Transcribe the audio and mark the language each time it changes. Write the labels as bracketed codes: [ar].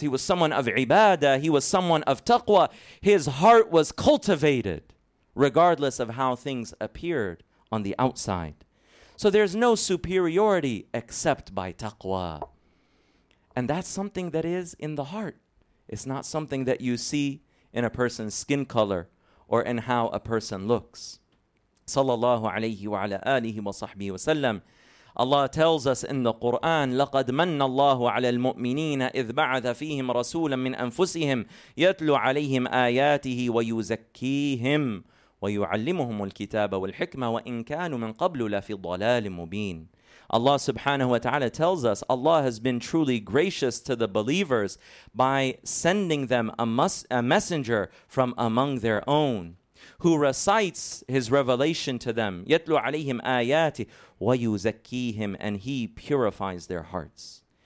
[en] He was someone of ibadah. He was someone of taqwa. His heart was cultivated, regardless of how things appeared on the outside. So there's no superiority except by taqwa. And that's something that is in the heart. It's not something that you see in a person's skin color or in how a person looks. [ar] Sallallahu alayhi wa ala alihi wa sahbihi wa sallam. [en] Allah tells us in the Quran, [ar] لَقَدْ مَنَّ اللَّهُ عَلَى الْمُؤْمِنِينَ إِذْ بَعَثَ فِيهِمْ رَسُولًا مِّنْ أَنفُسِهِمْ يَتْلُو عَلَيْهِمْ آيَاتِهِ وَيُزَكِّيهِمْ وَيُعَلِّمُهُمُ الْكِتَابَ وَالْحِكْمَةَ وَإِنْ كَانُوا مِنْ قَبْلُ لَفِي ضَلَالٍ مُبِينٍ. [en] Allah subhanahu wa ta'ala tells us Allah has been truly gracious to the believers by sending them a messenger from among their own, who recites his revelation to them, [ar] يَتْلُوا عَلَيْهِمْ آيَاتِ وَيُزَكِّيهِمْ, [en] and he purifies their hearts.